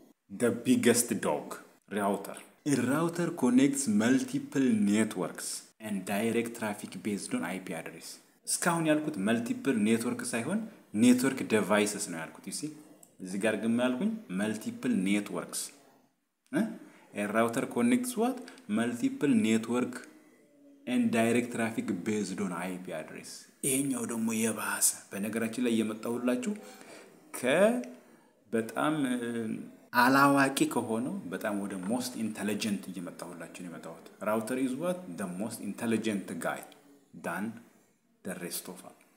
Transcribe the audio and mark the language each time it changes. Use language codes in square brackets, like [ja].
[en] the biggest dog router a router connects multiple networks and direct traffic based on ip address [am] እስካሁን ያልኩት [en] multiple network ሳይሆን network devices ነው ያልኩት you see [am] እዚህ ጋር ግን ያልኩኝ [en] multiple networks A router connects what? Multiple network and direct traffic based on IP address. [am] ይሄኛው ደግሞ የባሰ በነገራችን ላይ የመጣውላችሁ ከበጣም አላዋቂ ከሆነው በጣም ወደ most intelligent እየመጣውላችሁ ነው የመጣሁት. [en] Router is what? The most intelligent guy than the rest of all.